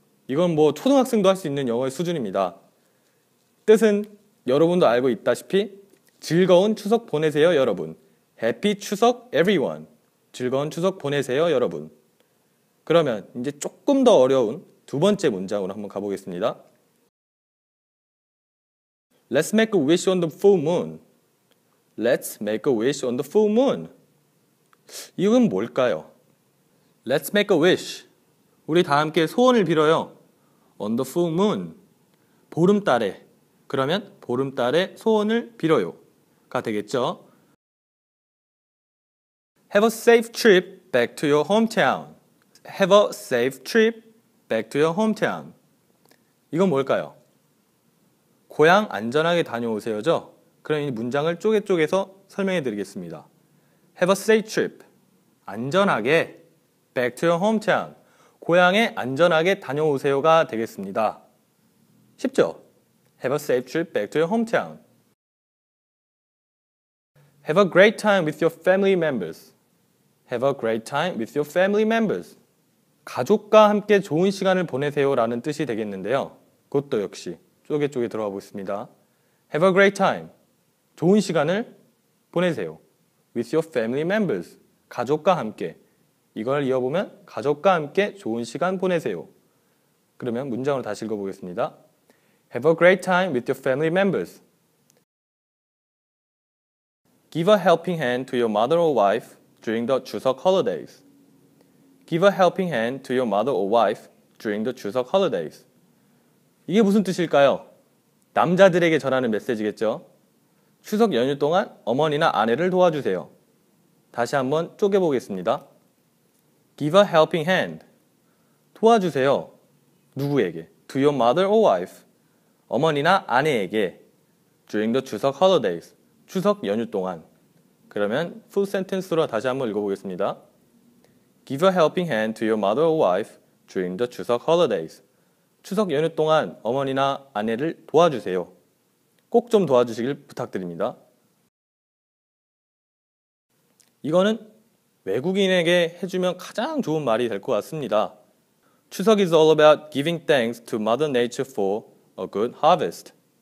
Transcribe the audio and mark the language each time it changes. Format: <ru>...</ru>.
<ko>이건 뭐 초등학생도 할 수 있는 영어의 수준입니다. 뜻은 여러분도 알고 있다시피 즐거운 추석 보내세요, 여러분.</ko> <en>Happy 추석, everyone.</en> <ko>즐거운 추석 보내세요, 여러분. 그러면 이제 조금 더 어려운 두 번째 문장으로 한번 가보겠습니다.</ko> <en>Let's make a wish on the full moon. Let's make a wish on the full moon.</en> <ko>이건 뭘까요?</ko> <en>Let's make a wish.</en> <ko>우리 다 함께 소원을 빌어요.</ko> <en>On the full moon.</en> <ko>보름달에. 그러면 보름달에 소원을 빌어요. 가 되겠죠?</ko> <en>Have a safe trip back to your hometown. Have a safe trip back to your hometown.</en> <ko>이건 뭘까요? 고향 안전하게 다녀오세요죠? 그럼 이 문장을 쪼개쪼개서 설명해 드리겠습니다.</ko> <en>Have a safe trip.</en> <ko>안전하게</ko> <en>back to your hometown.</en> <ko>고향에 안전하게 다녀오세요가 되겠습니다. 쉽죠?</ko> <en>Have a safe trip back to your hometown. Have a great time with your family members. Have a great time with your family members.</en> <ko>가족과 함께 좋은 시간을 보내세요라는 뜻이 되겠는데요. 그것도 역시 쪼개쪼개 들어가 보겠습니다.</ko> <en>Have a great time.</en> <ko>좋은 시간을 보내세요.</ko> <en>With your family members.</en> <ko>가족과 함께. 이걸 이어보면 가족과 함께 좋은 시간 보내세요. 그러면 문장으로 다시 읽어보겠습니다.</ko> <en>Have a great time with your family members. Give a helping hand to your mother or wife during the 추석 holidays. Give a helping hand to your mother or wife during the 추석 holidays.</en> <ko>이게 무슨 뜻일까요? 남자들에게 전하는 메시지겠죠? 추석 연휴 동안 어머니나 아내를 도와주세요. 다시 한번 쪼개보겠습니다.</ko> <en>Give a helping hand.</en> <ko>도와주세요. 누구에게?</ko> <en>To your mother or wife.</en> <ko>어머니나 아내에게.</ko> <en>During the 추석 holidays.</en> <ko>추석 연휴 동안. 그러면 full sentence로 다시 한번 읽어보겠습니다.</ko> <en>Give a helping hand to your mother or wife during the 추석 holidays.</en> <ko>추석 연휴 동안 어머니나 아내를 도와주세요. 꼭 좀 도와주시길 부탁드립니다. 이거는 외국인에게 해주면 가장 좋은 말이 될 것 같습니다.</ko> <en>추석 is all about giving thanks to Mother Nature for a good harvest.</en>